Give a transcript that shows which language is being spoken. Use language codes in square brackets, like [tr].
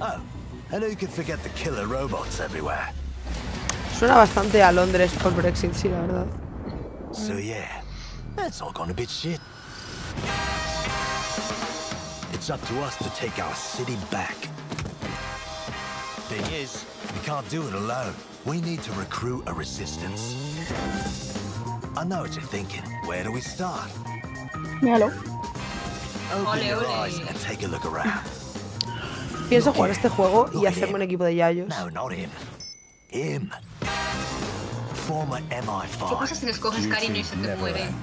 [en] Oh, and who can forget the killer robots everywhere? [es] Suena bastante a Londres por Brexit, sí, la verdad. [en] So yeah, that's all gonna be shit. It's up to us to take our city back. Thing is, we can't do it alone. We need to recruit a resistance. I know what you're thinking. Where do we start? Hello. Open your eyes and take a look around. [es] Pienso jugar este juego y hacerme un equipo de yayos. [en] No, not him. Him. Former MI5. [es] ¿Qué pasa si les coges cariño y se te muere?